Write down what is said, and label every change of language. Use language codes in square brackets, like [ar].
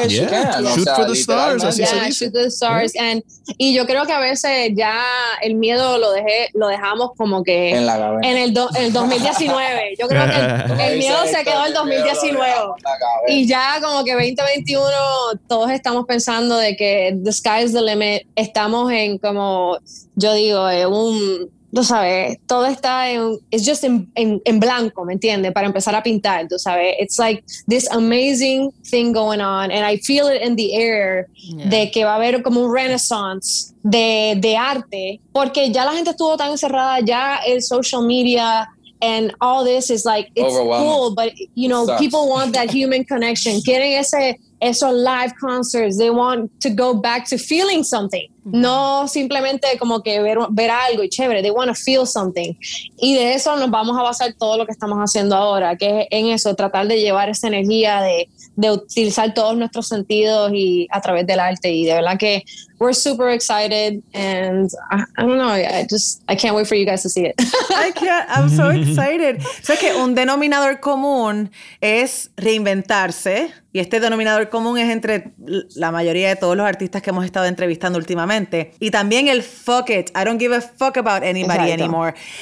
[en] Aim the highest you can, shoot for the stars. [es] Y yo creo que a veces ya el miedo lo dejamos como que en el 2019. Yo creo que el miedo se quedó en el 2019 y ya como que 2021 todos estamos pensando de que [en] the sky is the limit. [es] Estamos en, como yo digo, en un, tú sabes, todo está en, [en] it's just [es] en blanco, ¿me entiendes? Para empezar a pintar, tú sabes, [en] it's like this amazing thing going on and I feel it in the air. [es] De que va a haber como un renaissance de arte, porque ya la gente estuvo tan encerrada, ya el social media [en] and all this is like, it's cool, but you know, people want that human connection. [es] Quieren esos [en] live concerts, they want to go back to feeling something. [es] No simplemente como que ver algo y chévere, [en] they want to feel something. [es] Y de eso nos vamos a basar todo lo que estamos haciendo ahora, que es en eso, tratar de llevar esa energía de utilizar todos nuestros sentidos y a través del arte. Y de verdad que [en] we're super excited and I can't wait for you guys to see it. I'm so excited. [es] O sea, que un denominador común es reinventarse, y este denominador común es entre la mayoría de todos los artistas que hemos estado entrevistando últimamente, y también el [en] fuck it, I don't give a fuck about anybody anymore.